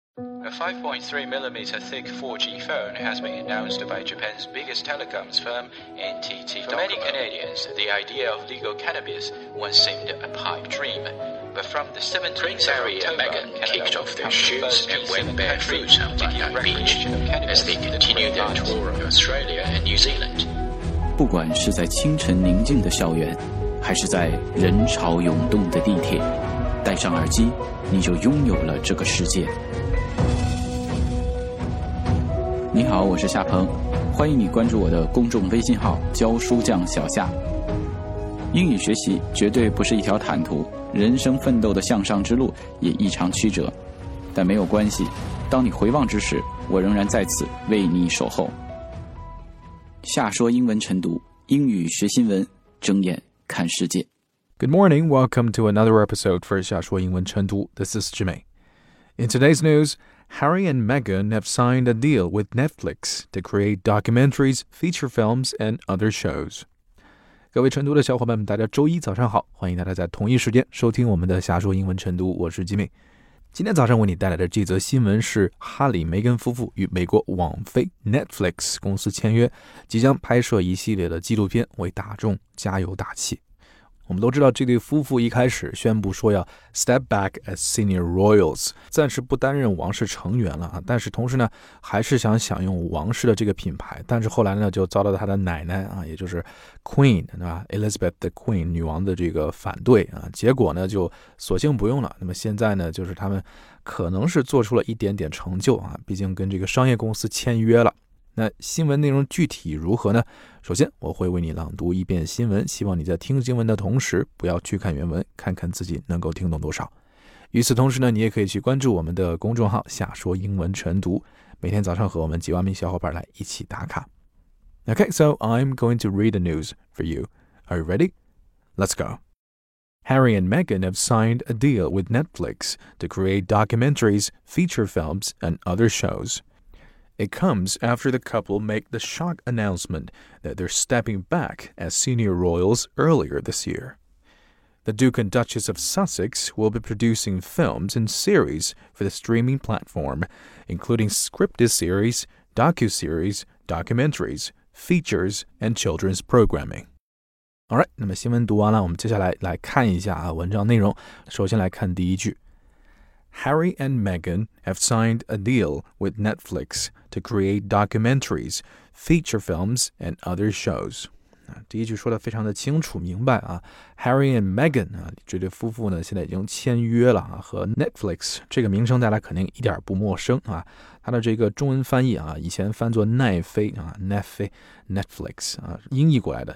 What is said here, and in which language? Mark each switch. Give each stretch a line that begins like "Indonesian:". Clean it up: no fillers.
English: A 5.3mm thick 4G phone has been announced by Japan's biggest telecoms firm, NTT Docomo. For many Canadians, the idea of legal cannabis once seemed a pipe dream. But from the 17th of October, and Megan kicked off their shoes and went barefoot on Bondi Beach as they continued their tour of Australia and New Zealand.
Chinese: 不管是在清晨宁静的校园，还是在人潮涌动的地铁，戴上耳机，你就拥有了这个世界。你好，我是夏鹏，欢迎你关注我的公众微信号“教书匠小夏”。英语学习绝对不是一条坦途，人生奋斗的向上之路也异常曲折，但没有关系，当你回望之时，我仍然在此为你守候。夏说英文晨读，英语学新闻，睁眼看世界。
English: Good morning, welcome to another episode for 夏说英文晨读。 This is Jimmy. In today's news, Harry and Meghan have signed a deal with Netflix to create documentaries, feature films, and other shows.
Chinese: 各位晨读的小伙伴们，大家周一早上好，欢迎大家在同一时间收听我们的夏说英文晨读，我是 Jimmy。今天早上为你带来的这则新闻是哈里梅根夫妇与美国网飞 Netflix 公司签约，即将拍摄一系列的纪录片，为大众加油打气。我们都知道，这对夫妇一开始宣布说要
English: step back as senior royals，
Chinese: 暂时不担任王室成员了，但是同时呢，还是想享用王室的这个品牌。但是后来呢，就遭到他的奶奶啊，也就是 Queen 对吧 ，Elizabeth the Queen 女王的这个反对啊，结果呢，就索性不用了。那么现在呢，就是他们可能是做出了一点点成就啊，毕竟跟这个商业公司签约了。那新闻内容具体如何呢？首先我会为你朗读一遍新闻，希望你在听新闻的同时不要去看原文，看看自己能够听懂多少。与此同时呢，你也可以去关注我们的公众号夏说英文晨读，每天早上和我们几万名小伙伴来一起打卡。
English: Okay, so I'm going to read the news for you. Are you ready? Let's go. Harry and Meghan have signed a deal with Netflix to create documentaries, feature films, and other shows. It comes after the couple make the shock announcement that they're stepping back as senior royals earlier this year. The Duke and Duchess of Sussex will be producing films and series for the streaming platform, including scripted series, docu-series, documentaries, features, and children's programming. All right,
Chinese: 那么新闻读完了，我们接下来来看一下文章内容。首先来看第一句。
English: Harry and Meghan have signed a deal with Netflix to create documentaries, feature films, and other shows.
Chinese: 第一句说得非常的清楚明白啊。Harry and Meghan 啊，这对夫妇呢，现在已经签约了啊，和 Netflix 这个名称大家肯定一点不陌生啊。它的这个中文翻译啊，以前翻作奈飞啊 ，Netflix 啊，音译过来的。